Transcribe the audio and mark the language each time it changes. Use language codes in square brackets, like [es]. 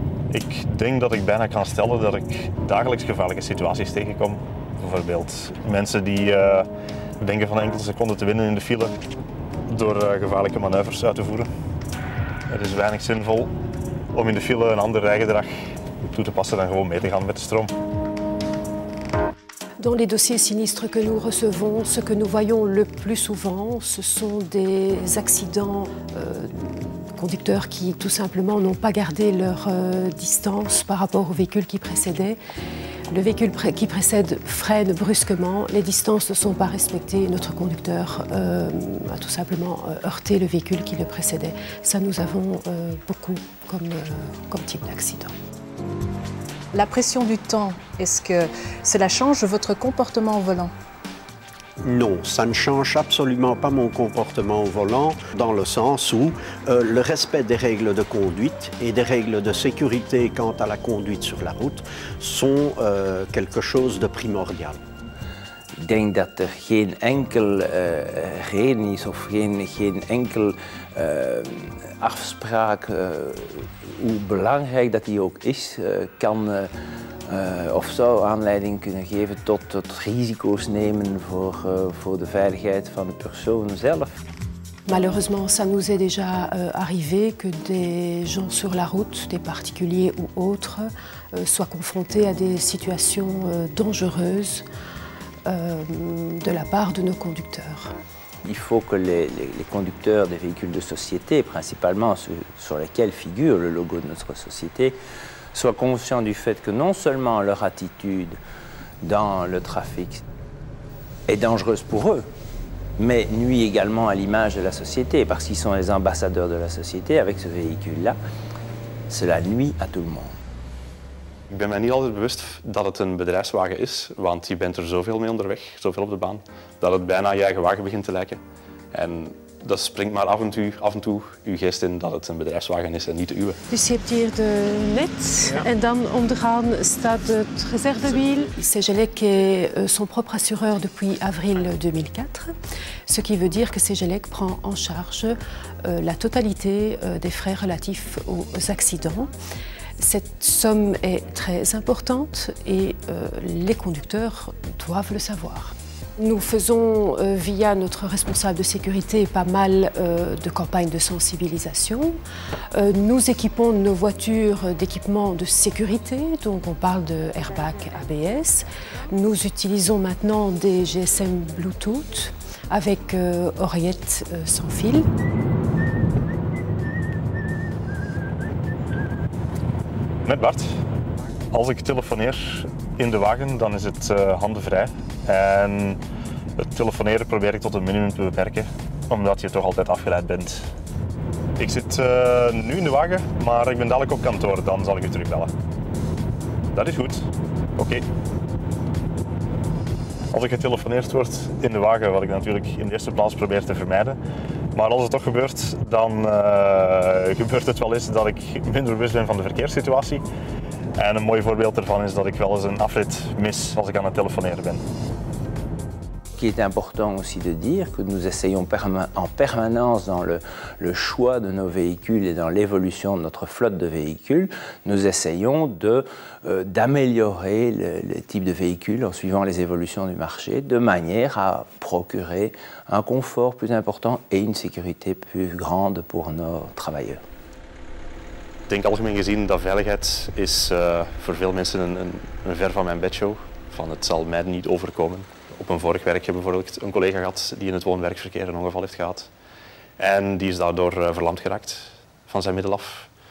[nl] Ik denk dat ik bijna kan stellen dat ik dagelijks gevaarlijke situaties tegenkom. Bijvoorbeeld mensen die denken van enkele seconden te winnen in de file door gevaarlijke manoeuvres uit te voeren. Het is weinig zinvol om in de file een ander rijgedrag toe te passen dan gewoon mee te gaan met de stroom. [fr] Dans les dossiers sinistres que nous recevons, ce que nous voyons le plus souvent, ce sont des accidents conducteurs qui tout simplement n'ont pas gardé leur distance par rapport au véhicule qui précédait. Le véhicule qui précède freine brusquement, les distances ne sont pas respectées, notre conducteur a tout simplement heurté le véhicule qui le précédait. Ça, nous avons beaucoup comme type d'accident. La pression du temps, est-ce que cela change votre comportement au volant? Non, ça ne change absolument pas mon comportement au volant, dans le sens où le respect des règles de conduite et des règles de sécurité quant à la conduite sur la route sont quelque chose de primordial. Ik denk dat er geen enkel reden is of geen enkel afspraak, hoe belangrijk dat die ook is, kan of zou aanleiding kunnen geven tot risico's nemen voor de veiligheid van de persoon zelf. Malheureusement, ça nous est déjà arrivé que des gens sur la route, des particuliers ou autres, soient confrontés à des situations dangereuses. De la part de nos conducteurs. Il faut que les conducteurs des véhicules de société, principalement sur lesquels figure le logo de notre société, soient conscients du fait que non seulement leur attitude dans le trafic est dangereuse pour eux, mais nuit également à l'image de la société, parce qu'ils sont les ambassadeurs de la société avec ce véhicule-là. Cela nuit à tout le monde. [nl] Ik ben mij niet altijd bewust dat het een bedrijfswagen is, want je bent er zoveel mee onderweg, zoveel op de baan, dat het bijna je eigen wagen begint te lijken. En dat springt maar af en toe uw geest in dat het een bedrijfswagen is en niet de uwe. Dus je hebt hier de net, ja. En dan ondergaan staat het reservewiel. [fr] Segelec est son propre assureur depuis avril 2004, ce qui veut dire que Segelec prend en charge la totalité des frais relatifs aux accidents. Cette somme est très importante et les conducteurs doivent le savoir. Nous faisons, via notre responsable de sécurité, pas mal de campagnes de sensibilisation. Nous équipons nos voitures d'équipements de sécurité, donc on parle de airbag ABS. Nous utilisons maintenant des GSM Bluetooth avec oreillettes sans fil. [nl] Met Bart, als ik telefoneer in de wagen, dan is het handenvrij. En het telefoneren probeer ik tot een minimum te beperken, omdat je toch altijd afgeleid bent. Ik zit nu in de wagen, maar ik ben dadelijk op kantoor, dan zal ik je terugbellen. Dat is goed. Oké. Als ik getelefoneerd word in de wagen, wat ik natuurlijk in de eerste plaats probeer te vermijden, maar als het toch gebeurt, dan gebeurt het wel eens dat ik minder bewust ben van de verkeerssituatie. En een mooi voorbeeld daarvan is dat ik wel eens een afrit mis als ik aan het telefoneren ben. [fr] Qui est important aussi de dire que nous essayons en permanence dans le choix de nos véhicules et dans l'évolution de notre flotte de véhicules, nous essayons d'améliorer le type de véhicule en suivant les évolutions du marché de manière à procurer un confort plus important et une sécurité plus grande pour nos travailleurs. [nl] Ik denk algemeen gezien dat veiligheid is voor veel mensen een ver van mijn bedshow. Van het zal mij niet overkomen. Op een vorig werk heb ik bijvoorbeeld een collega gehad die in het woon-werkverkeer een ongeval heeft gehad. En die is daardoor verlamd geraakt van zijn middel af.